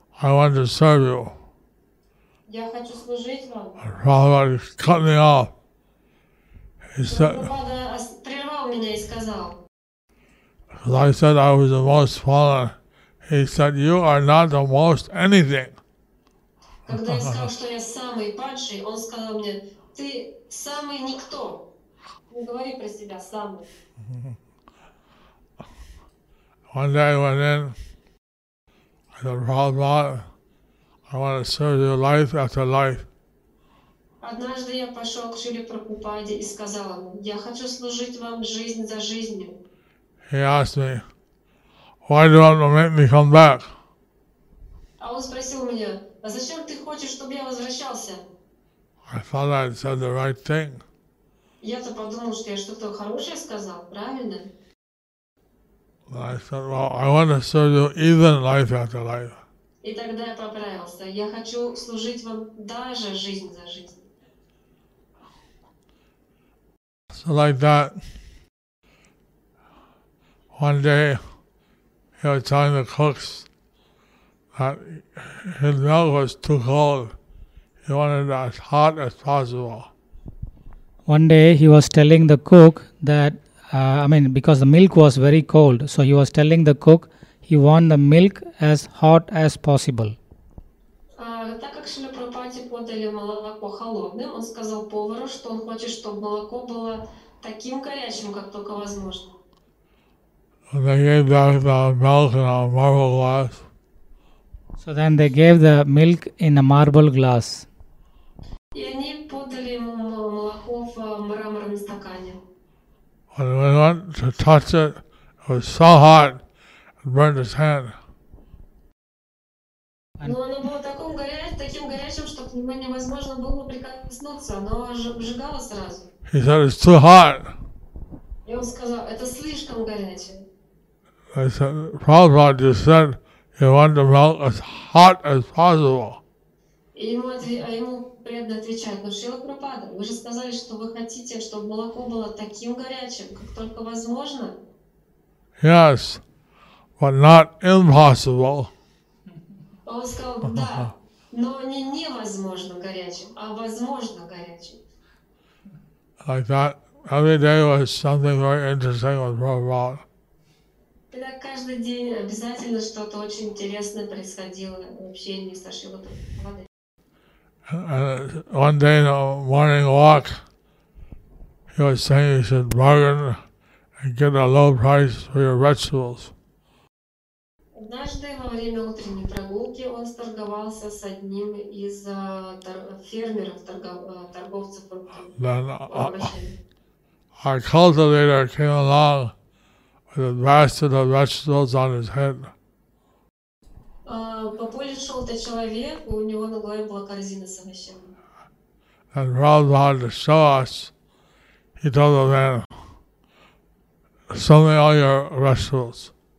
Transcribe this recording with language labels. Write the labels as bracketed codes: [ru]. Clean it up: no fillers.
[en] I want to serve you. [ru] Я хочу служить вам. [en] And Prabhupada cut me off. He said, [ru] Прабхупада прервал меня и сказал. [en] Because I said I was the most fallen. He said, you are not the most anything. One day I went in. I said, Prabhupada, I want to serve you life after life. [ru] Однажды я пошел к Шриле Прабхупаде и сказал ему, я хочу служить вам жизнь за жизнью. [en] He asked me, why do you want to make me come back? [ru] А он спросил меня, а зачем ты хочешь, чтобы я возвращался? [en] I thought I'd said the right thing. [ru] Я-то подумал, что я что-то хорошее сказал, правильно? [en] I said, well, I want to serve you even life after life. [ru] И тогда я поправился. Я хочу служить вам даже жизнь за жизнь. [en] So like that, one day he was telling the cooks that his milk was too cold. He wanted it as hot as possible. One day he was telling the cook that, because the milk was very cold, so he was telling the cook he wanted the milk as hot as possible. [ru] Так как Шриле Прабхупаде подали молоко холодным, он сказал повару, что он хочет, чтобы молоко было таким горячим, как только возможно. [en] They gave back the milk in a marble glass. So then they gave the milk in a marble glass. [ru] И они подали ему молоко в мраморном стакане. [en] When he went to touch it, it was so hot, it burned his hand. [ru] Но оно было таким горячим, что к нему невозможно было прикоснуться, оно обжигало сразу. [en] He said, it's too hot. [ru] И он сказал, это слишком горячее. [en] I said, Prabhupada just said, you want the milk as hot as possible. [ru] И ему, а ему преданно отвечает, но Шрила Прабхупада, вы же сказали, что вы хотите, чтобы молоко было таким горячим, как только возможно. [en] Yes, but not impossible. [ru] Он сказал, да, но не невозможно горячим, а возможно горячим. [en] Like that, every day was something very interesting with Prabhupada. [ru] Итак, каждый день обязательно что-то очень интересное происходило в общении со Шрилой Прабхупадой. [en] One day in a morning walk, he was saying, he said, bargain and get a low price for your vegetables. [ru] Однажды во время утренней прогулки он торговался с одним из фермеров, торговцев овощами. [en] Our cultivator came along with a basket of vegetables on his head. And Prabhupada had to show us, he told the man, show me all your vegetables.